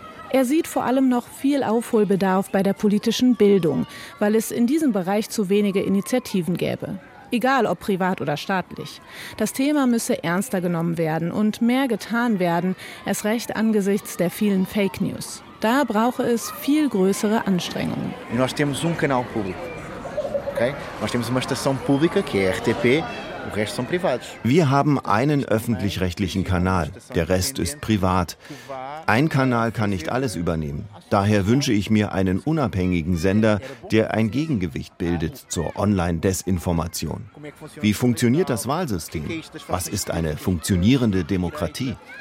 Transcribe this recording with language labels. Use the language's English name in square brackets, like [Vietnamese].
[German] Er sieht vor allem noch viel Aufholbedarf bei der politischen Bildung, weil es in diesem Bereich zu wenige Initiativen gäbe. Egal ob privat oder staatlich. Das Thema müsse ernster genommen werden und mehr getan werden, erst recht angesichts der vielen Fake News. Da brauche es viel größere Anstrengungen. [Portuguese] Nós temos canal público. Okay? Nós temos uma estação pública, que é RTP. [German] Wir haben einen öffentlich-rechtlichen Kanal, der Rest ist privat. Ein Kanal kann nicht alles übernehmen. Daher wünsche ich mir einen unabhängigen Sender, der ein Gegengewicht bildet zur Online-Desinformation. Wie funktioniert das Wahlsystem? Was ist eine funktionierende Demokratie?